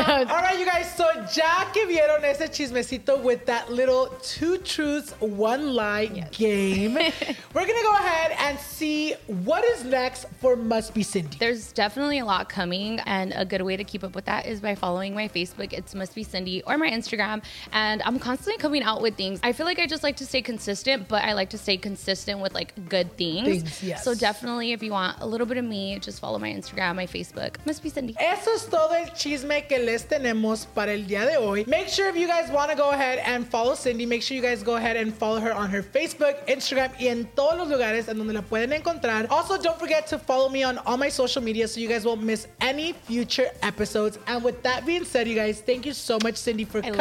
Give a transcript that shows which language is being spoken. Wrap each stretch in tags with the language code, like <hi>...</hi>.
<en>All right, you guys, so</en> <es>ya que vieron ese chismecito</es> <en>with that little 2 truths, 1 lie game, we're going to go ahead and see what is next for Must Be Cindy. There's definitely a lot coming, and a good way to keep up with that is by following my Facebook. It's Must Be Cindy, or my Instagram, and I'm constantly coming out with things. I feel like I just like to stay consistent, but I like to stay consistent with like good things. Yes. So definitely, if you want a little bit of me, just follow my Instagram, my Facebook, Must Be Cindy.</en> <es>Eso es todo el chisme que les tenemos para el día de hoy.</es> <en>Make sure if you guys want to go ahead and follow Cindy, make sure you guys go ahead and follow her on her Facebook, Instagram,</en> <es>y en todos los lugares.</es> <en>And</en> <es>donde la pueden encontrar.</es> <en>Also, don't forget to follow me on all my social media so you guys won't miss any future episodes. And with that being said, you guys, thank you so much, Cindy, for coming.</en>